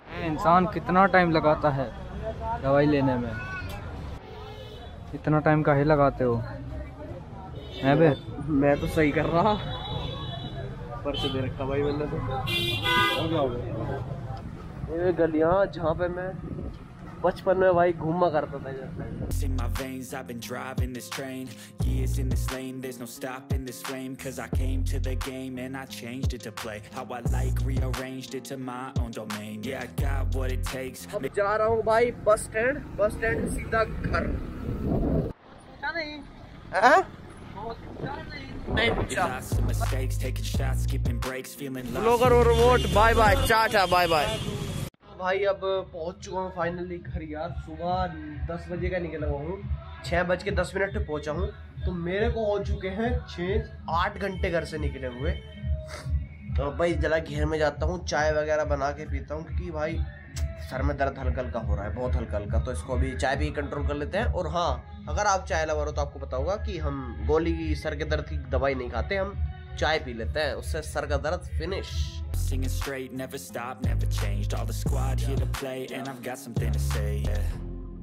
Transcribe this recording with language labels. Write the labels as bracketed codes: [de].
[hi] इंसान कितना टाइम लगाता है दवाई लेने में, इतना टाइम का ही लगाते हो। मैं भी मैं तो सही कर रहा, पर्चे दे रखा भाई मैंने तो। ये गलियां जहाँ पे मैं बचपन में भाई घूमा करता था, [en] In my veins, I've been driving this train. Years in this lane, there's no stopping this flame. Cause I came to the game and I changed it to play. How I like, rearranged it to my own domain. Yeah, I got what it takes. [hi] अब जा रहा हूँ भाई bus stand सीधा घर। क्या नहीं? हाँ? भाई अब पहुंच चुका हूँ फाइनली घर यार। सुबह 10 बजे का निकला हुआ हूँ, 6:10 पे पहुंचा हूँ। तो मेरे को हो चुके हैं 6-8 घंटे घर से निकले हुए। तो भाई जरा घर में जाता हूँ, चाय वगैरह बना के पीता हूँ, क्योंकि भाई सर में दर्द हल्का हल्का हो रहा है, बहुत हल्का हल्का। तो इसको भी चाय भी कंट्रोल कर लेते हैं। और हाँ, अगर आप चाय लवर हो तो आपको बताऊंगा कि हम गोली की सर के दर्द की दवाई नहीं खाते, हम चाय पी लेते हैं, उससे सर का दर्द finish. [en] Singing straight, never stopped, never changed. All the squad here to play, and I've got something to say, yeah.